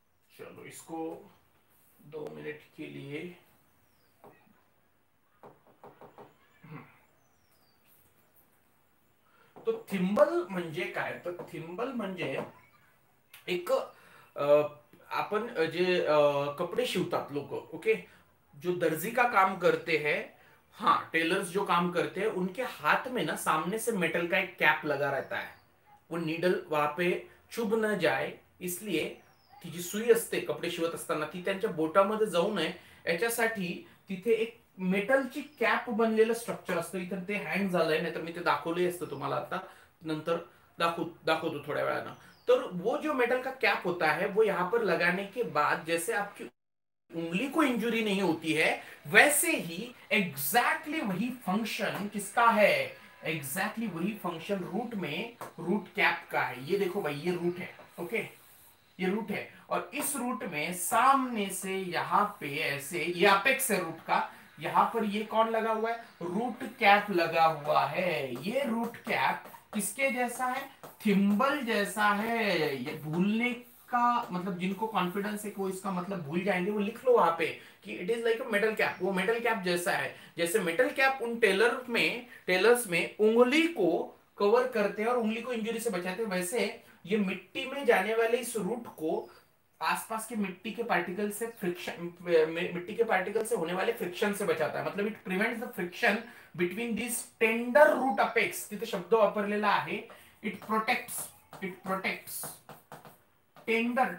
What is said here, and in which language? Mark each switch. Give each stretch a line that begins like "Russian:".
Hindi: चलो इसको 2 मिनट के लिए थिम्बल मंजे का है। तो थिम्बल मंजे एक
Marathi: आपन जे कपड़े शिवतात लोग,
Hindi: ओके, जो दर्जी का काम करते हैं, हाँ टेलर्स जो काम करते हैं, उनके हाथ में ना सामने से मेटल का एक कैप लगा रहता है। वो नीडल वहां पे चुभ न जाए इसलिए,
Marathi: ती जी सुई असते कपडे शिवत असताना ती त्यांच्या बोटामध्ये जाऊ नये याच्यासाठी तिथे एक मेटलची कॅप बनलेलं स्ट्रक्चर असतं। इथं ते हँग झालंय, नाहीतर मी ते दाखवले असतं तुम्हाला आता, नंतर दाखवतो थोड्या वेळानं।
Hindi: तर वो जो मेटल का कॅप होता है वो यहाँ पर लगाने के बाद जैसे आपकी उंगली को इंजुरी नहीं होती है, वैसे ही एग्जैक्टली वही फंक्शन किसका है? एग्जैक्टली वही फंक्शन रूट में रूट कैप का है। ये देखो भाई, ये रूट है, ओके, ये रूट है, और इस रूट में सामने से यहाँ पे ऐसे ये अपेक्स है रूट का, यहाँ पर ये कौन लगा हुआ है? रूट कैप लगा हुआ है। ये रूट कैप किसके जैसा है? थिम्बल जैसा है। ये भूलने का मतलब, जिनको कॉन्फिडेंस है कि वो इसका मतलब भूल जाएंगे, वो लिख लो वहां पे कि
English: It is like a metal cap.
Hindi: वो मेटल कैप जैसा है, जैसे मेटल कैप उन टेलर्स में उंगली को कवर करते हैं और उंगली को इंजरी से बचाते हैं, वैसे ये मिट्टी में जाने वाले इस रूट को आसपास के मिट्टी के पार्टिकल से मिट्टी के पार्टिकल से होने वाले फ्रिक्शन से बचाता है। मतलब
English: It prevents the friction between this tender root apex.
Marathi: तिथे शब्द वापरलेला आहे,
English: It protects tender.